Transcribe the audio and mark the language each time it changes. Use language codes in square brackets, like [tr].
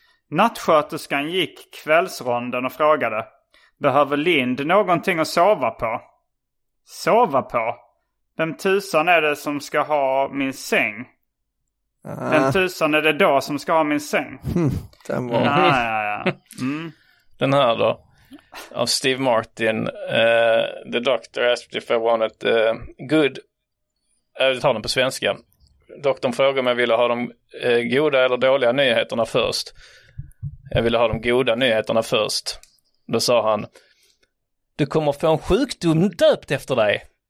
[sv] Nattsköterskan gick kvällsronden och frågade: behöver Lind någonting att sova på? Sova på? Vem tusan är det som ska ha min säng? Vem tusan är det då som ska ha min säng? Den var... Den här då, av Steve Martin. [en] The doctor asked if I wanted good... [sv] Jag tar den på svenska. Doktorn frågade om jag ville ha de goda eller dåliga nyheterna först. Jag ville ha de goda nyheterna först. Då sa han: du kommer få en sjukdom döpt efter dig.